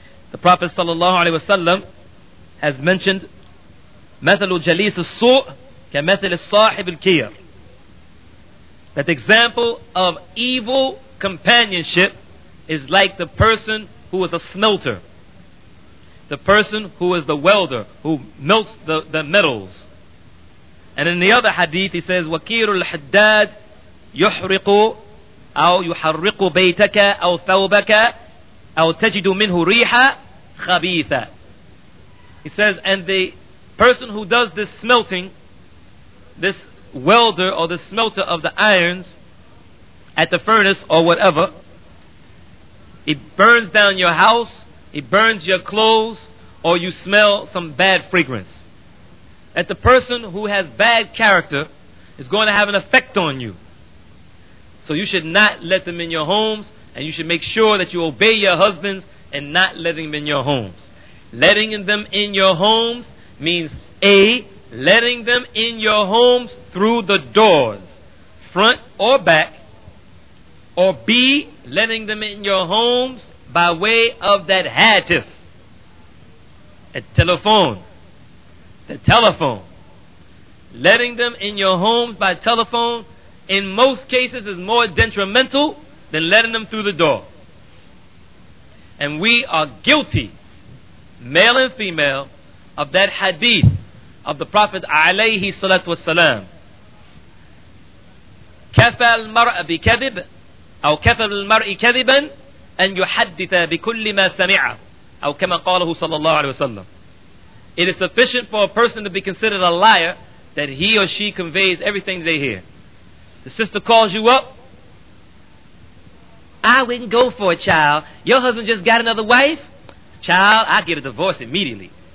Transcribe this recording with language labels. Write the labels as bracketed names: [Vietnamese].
[English] The Prophet sallallahu alaihi wasallam has mentioned [Arabic] مثل جليس السوء كمثل صاحب الكير, [English] that the example of evil companionship is like the person who is a smelter, the person who is the welder who melts the metals. And in the other hadith he says [Arabic] وَكِيرُ الْحَدَّادِ يُحْرِقُ أَوْ يُحَرِّقُ بَيْتَكَ أَوْ ثَوْبَكَ أَوْ تَجِدُ مِنْهُ رِيحَ خَبِيثَ. [English] He says, and the person who does this smelting, this welder or the smelter of the irons at the furnace or whatever, it burns down your house, it burns your clothes, or you smell some bad fragrance. That the person who has bad character is going to have an effect on you. So you should not let them in your homes, and you should make sure that you obey your husbands and not letting them in your homes. Letting them in your homes means A, letting them in your homes through the doors, front or back, or B, letting them in your homes by way of that hatif, a telephone, the telephone. Letting them in your homes by telephone in most cases is more detrimental than letting them through the door. And we are guilty, male and female, of that hadith of the Prophet alayhi salatu wasalam, [Arabic] كَفَى الْمَرْءَ بِكَذِبٍ أَوْ كَفَى الْمَرْءِ كَذِبًا أَنْ يُحَدِّثَ بِكُلِّ مَا سَمِعَ أَوْ كَمَا قَالَهُ صلى الله عليه وسلم. [English] It is sufficient for a person to be considered a liar that he or she conveys everything they hear. The sister calls you up, I wouldn't go for a child. Your husband just got another wife. Child, I get a divorce immediately.